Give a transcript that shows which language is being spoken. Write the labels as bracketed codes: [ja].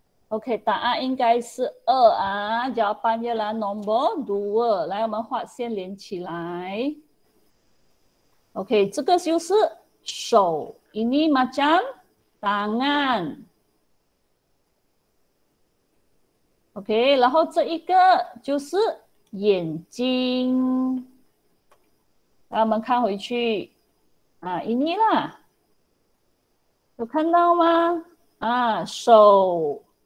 [zh] OK， 答案应该是二啊，叫半夜蓝 [en] number two， [zh] 来，我们画线连起来。 OK， 这个就是手 ， [ms] ini macam tangan。 [zh] OK， 然后这一个就是眼睛，来，我们看回去啊 ，ini 啦，有看到吗？啊，手。